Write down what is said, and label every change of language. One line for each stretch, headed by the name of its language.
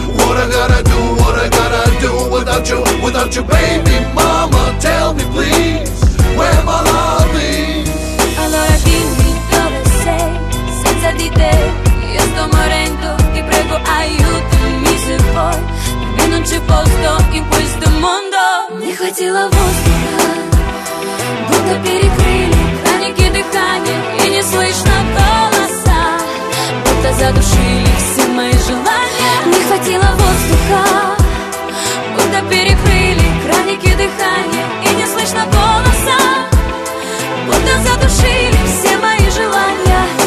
English: What I gotta do, what I gotta do without you, without you, baby. Mama, tell me please, where my love is.
Italian: Allora dimmi dove sei, senza di te io sto morendo, ti prego aiutami se vuoi, perché non c'è posto in questo mondo.
Russian: Mi хватило воздуха, будто перекрыли краники дыхания, и не слышно голоса, будто задушили все мои желания. Не хватило воздуха, будто перекрыли краники дыхания, и не слышно голоса, будто задушили все мои желания.